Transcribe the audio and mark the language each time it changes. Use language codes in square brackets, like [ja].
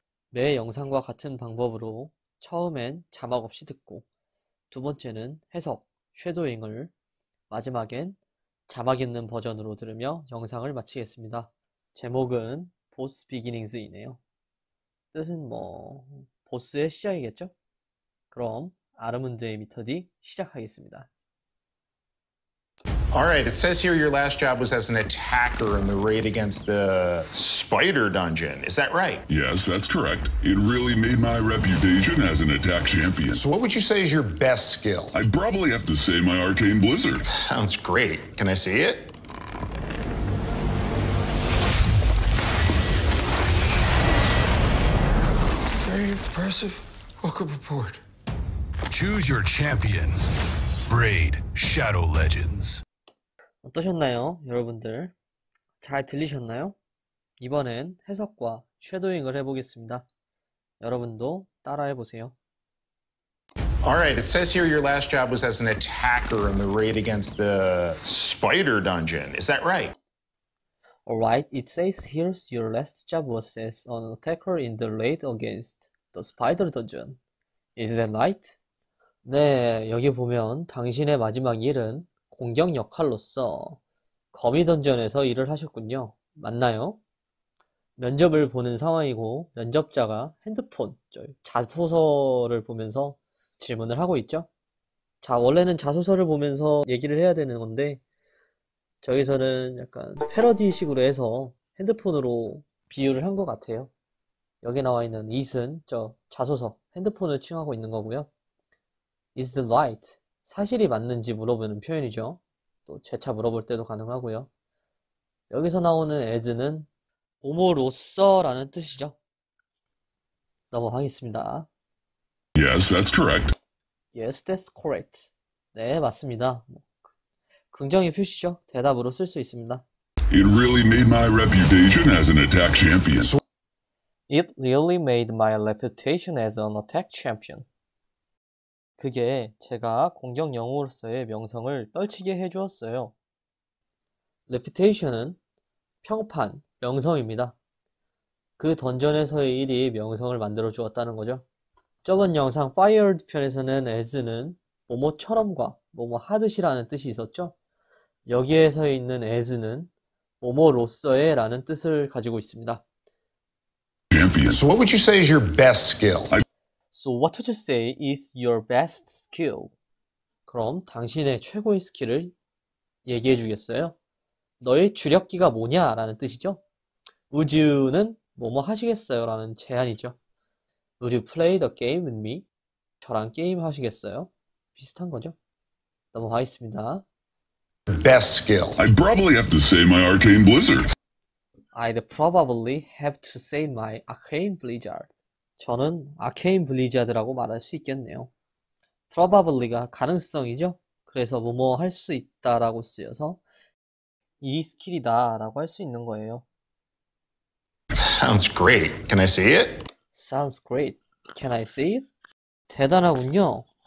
[ko] 매 영상과 같은 방법으로 처음엔 자막 없이 듣고, 두 번째는 해석, 섀도잉을, 마지막엔 자막 있는 버전으로 들으며 영상을 마치겠습니다. 제목은 보스 비기닝스이네요. 뜻은 뭐, 보스의 시작이겠죠? 그럼, 아르문드의 미터디 시작하겠습니다. [en] All right, it says here your last job was as an attacker in the raid against the spider dungeon. Is that right? Yes, that's correct. It really made my reputation as an attack champion. So what would you say is your best skill? I probably have to say my arcane blizzard. Sounds great. Can I see it? Very impressive. Welcome aboard. Choose your champions. Raid Shadow Legends. [ko] 어떠셨나요, 여러분들? 잘 들리셨나요? 이번엔 해석과 섀도잉을 해보겠습니다. 여러분도 따라해보세요. [en] Alright, it says here your last job was as an attacker in the raid against the spider dungeon. Is that right? Alright, it says here your last job was as an attacker in the raid against the spider dungeon. Is that right? [ko] 네, 여기 보면 당신의 마지막 일은 공격 역할로서 거미 던전에서 일을 하셨군요. 맞나요? 면접을 보는 상황이고 면접자가 핸드폰, 자소서를 보면서 질문을 하고 있죠. 자, 원래는 자소서를 보면서 얘기를 해야 되는 건데 저기서는 약간 패러디식으로 해서 핸드폰으로 비유를 한것 같아요. 여기 나와 있는 it은 저 자소서, 핸드폰을 칭하고 있는 거고요. [en] is the light. [ko] 사실이 맞는지 물어보는 표현이죠. 또 재차 물어볼 때도 가능하고요. 여기서 나오는 as는 오모로써라는 뜻이죠. 넘어가겠습니다. [en] Yes, that's correct. Yes, that's correct. [ko] 네, 맞습니다. 긍정의 표시죠. 대답으로 쓸수 있습니다. [en] It really made my reputation as an attack champion. It really made my reputation as an attack champion. [ko] 그게 제가 공격 영웅으로서의 명성을 떨치게 해주었어요. Reputation은 평판, 명성입니다. 그 던전에서의 일이 명성을 만들어 주었다는 거죠. 저번 영상 Fired 편에서는 as는 뭐뭐처럼과 뭐뭐 하듯이라는 뜻이 있었죠. 여기에서 있는 as는 뭐뭐로서의 라는 뜻을 가지고 있습니다. [en] So what would you say is your best skill? So what would you say is your best skill? [ko] 그럼 당신의 최고의 스킬을 얘기해 주겠어요? 너의 주력기가 뭐냐? 라는 뜻이죠. [en] Would you [ko] 는 뭐뭐 하시겠어요? 라는 제안이죠. [en] Would you play the game with me? [ko] 저랑 게임 하시겠어요? 비슷한 거죠. 넘어가겠습니다. [en] Best skill. I probably have to say my arcane blizzard. I'd probably have to say my arcane blizzard. [ko] 저는 아케인 블리자드라고 말할 수 있겠네요. probably가 가능성이죠? 그래서 뭐뭐 할수 있다라고 쓰여서 이 스킬이다라고 할수 있는 거예요. [en] Sounds great. Can I see it? Sounds great. Can I see it? [ko] 대단하군요.